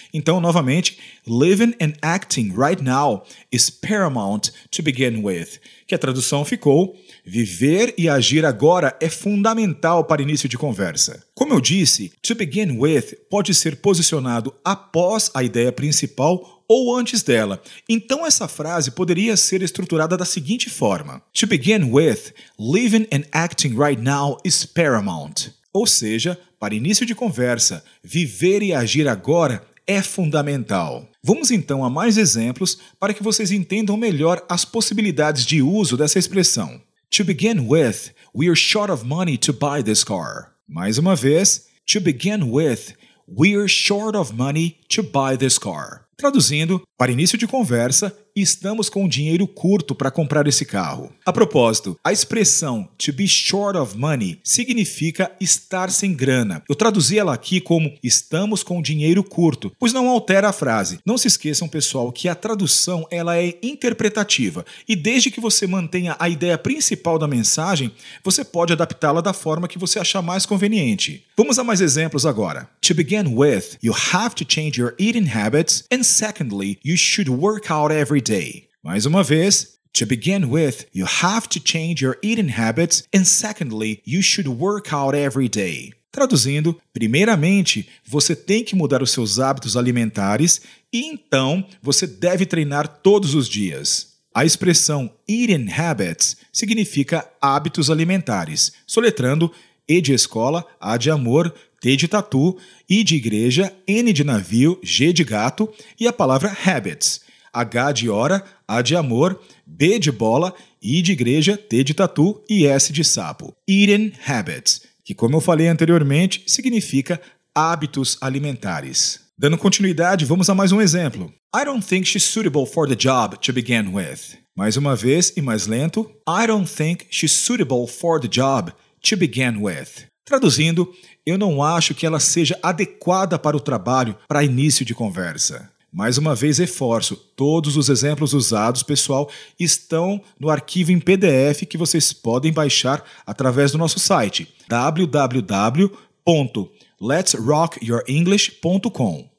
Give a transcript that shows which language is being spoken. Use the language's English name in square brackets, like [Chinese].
[Portuguese] Então, novamente, [English] living and acting right now is paramount to begin with. [Portuguese] Que a tradução ficou: viver e agir agora é fundamental para início de conversa. Como eu disse, [English] to begin with [Portuguese] pode ser posicionado após a ideia principal ou antes dela. Então essa frase poderia ser estruturada da seguinte forma: [English] to begin with, living and acting right now is paramount. [Portuguese] Ou seja, para início de conversa, viver e agir agora é fundamental. Vamos então a mais exemplos para que vocês entendam melhor as possibilidades de uso dessa expressão. [English] To begin with, we are short of money to buy this car. [Portuguese] Mais uma vez, [English] to begin with, we are short of money to buy this car. [Portuguese] Traduzindo, para início de conversa, estamos com dinheiro curto para comprar esse carro. A propósito, a expressão [English] to be short of money [Portuguese] significa estar sem grana. Eu traduzi ela aqui como estamos com dinheiro curto, pois não altera a frase. Não se esqueçam, pessoal, que a tradução ela é interpretativa e desde que você mantenha a ideia principal da mensagem, você pode adaptá-la da forma que você achar mais conveniente. Vamos a mais exemplos agora. [English] To begin with, you have to change your eating habits and secondly, you should work out every day. [Portuguese] Mais uma vez, [English] to begin with, you have to change your eating habits, and secondly, you should work out every day. [Portuguese] Traduzindo, primeiramente, você tem que mudar os seus hábitos alimentares, e então, você deve treinar todos os dias. A expressão eating habits significa hábitos alimentares, soletrando E de escola, A de amor, T de tatu, I de igreja, N de navio, G de gato, e a palavra habits. H de hora, A de amor, B de bola, I de igreja, T de tatu e S de sapo. Eating habits, que como eu falei anteriormente, significa hábitos alimentares. Dando continuidade, vamos a mais um exemplo. [English] I don't think she's suitable for the job to begin with. [Portuguese] Mais uma vez e mais lento. [English] I don't think she's suitable for the job to begin with. [Portuguese] Traduzindo, eu não acho que ela seja adequada para o trabalho para início de conversa. Mais uma vez, reforço, todos os exemplos usados, pessoal, estão no arquivo em PDF que vocês podem baixar através do nosso site, www.letsrockyourenglish.com.